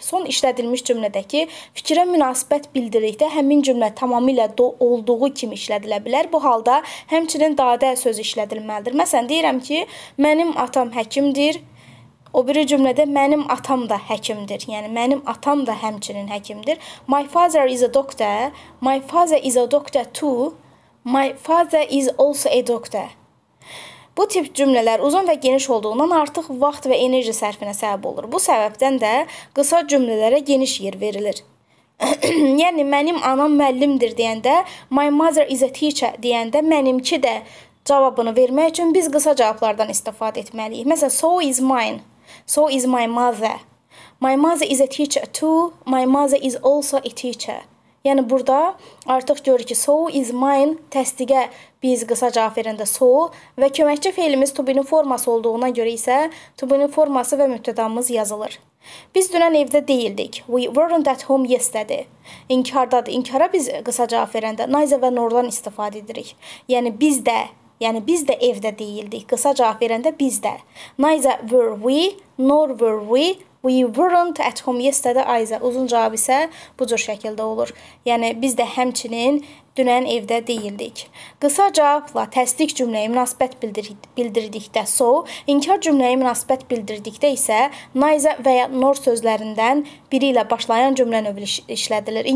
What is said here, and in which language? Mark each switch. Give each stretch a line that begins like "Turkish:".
Azerbaijani: Son işlədilmiş cümlədəki fikrə münasibət bildirikdə həmin cümlə tamamilə olduğu kimi işlədilə bilər. Bu halda həmçinin dadə sözü işlədilməlidir. Məsələn, deyirəm ki, mənim atam həkimdir. O biri cümlədə mənim atam da həkimdir. Yəni, mənim atam da həmçinin həkimdir.
English: My father is a doctor. My father is a doctor too. My father is also a doctor.
Azerbaijani: Bu tip cümlələr uzun və geniş olduğundan artıq vaxt və enerji sərfinə səbəb olur. Bu səbəbdən də qısa cümlələrə geniş yer verilir. Yəni, mənim anam müəllimdir deyəndə,
English: my mother is a teacher
Azerbaijani: deyəndə, mənimki də cavabını vermək üçün biz qısa cavablardan istifadə etməliyik. Məsələn,
English: so is mine. So is my mother. My mother is a teacher too. My mother is also a teacher.
Azerbaijani: Yəni, burada artıq görür ki,
English: so is mine
Azerbaijani: təsdiqə biz qısa cavab verəndə so və köməkçi feilimiz to be-nin forması olduğuna görə isə to be-nin forması və mübtədamız yazılır. Biz dünən evdə deyildik.
English: We weren't at home yesterday.
Azerbaijani: İnkardadır. İnkara biz qısa cavab verəndə neither və nor-dan istifadə edirik. Yəni, biz də. Yəni, biz də evdə deyildik. Qısa cavab verəndə biz də.
English: Neither were we, nor were we. We weren't at home yesterday either.
Azerbaijani: Uzun cavab isə bu cür şəkildə olur. Yəni, biz də həmçinin dünən evdə deyildik. Qısa cavabla təsdiq cümləyə münasibət bildirdikdə so, inkar cümləyə münasibət bildirdikdə isə neither və ya nor sözlərindən biri ilə başlayan cümlə növü işlədilir.